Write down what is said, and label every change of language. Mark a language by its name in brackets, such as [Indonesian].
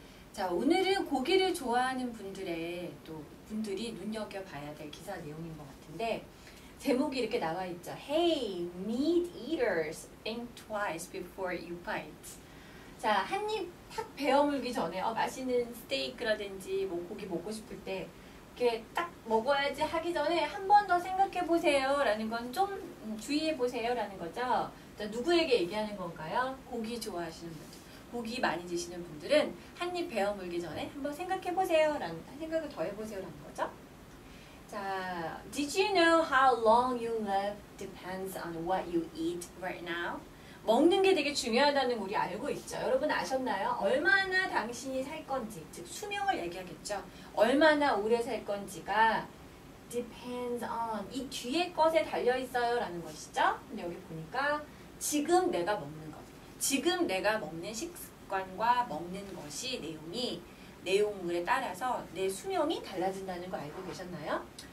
[Korean] 자, 오늘은 고기를 좋아하는 분들의 또 분들이 눈여겨봐야 될 기사 내용인 것 같은데 제목이 이렇게 나와 있죠. [English] Hey, meat eaters, think twice before you bite. [Korean] 자, 한 입 탁 베어물기 전에 맛있는 스테이크라든지 뭐 고기 먹고 싶을 때 이렇게 딱 먹어야지 하기 전에 한 번 더 생각해 보세요 라는 건 좀 주의해 보세요 라는 거죠. 자, 누구에게 얘기하는 건가요? 고기 좋아하시는 분들, 고기 많이 드시는 분들은 한 입 베어 물기 전에 한번 생각해 보세요 라는 생각을 더 해 보세요 라는 거죠. [English] 자, Did you know how long you live depends on what you eat right now? [Korean] 먹는 게 되게 중요하다는 우리 알고 있죠. 여러분 아셨나요? 얼마나 당신이 살 건지, 즉 수명을 얘기하겠죠. 얼마나 오래 살 건지가 [English] depends on [Korean] 이 뒤에 것에 달려 있어요 라는 것이죠. 근데 여기 보니까 지금 내가 먹는 것, 지금 내가 먹는 식습관과 먹는 것이 내용이 내용물에 따라서 내 수명이 달라진다는 거 알고 계셨나요?